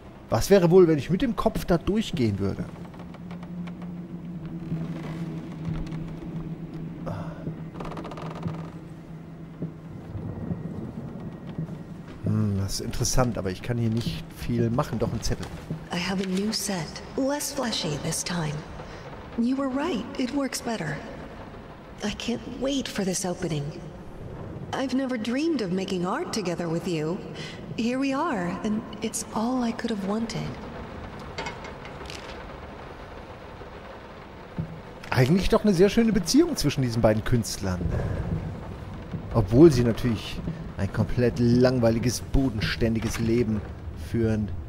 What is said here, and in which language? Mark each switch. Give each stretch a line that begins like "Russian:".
German: Was wäre wohl, wenn ich mit dem Kopf da durchgehen würde? Das ist interessant, aber ich kann hier nicht viel machen, doch ein Zettel.
English: I have a new set, less flashy this time. You were right, it works better. I can't wait for this opening. I've never dreamed of making art together with you. Here we are, and it's all I could have wanted.
German: Eigentlich doch eine sehr schöne Beziehung zwischen diesen beiden Künstlern. Obwohl sie natürlich ein komplett langweiliges, bodenständiges Leben führen.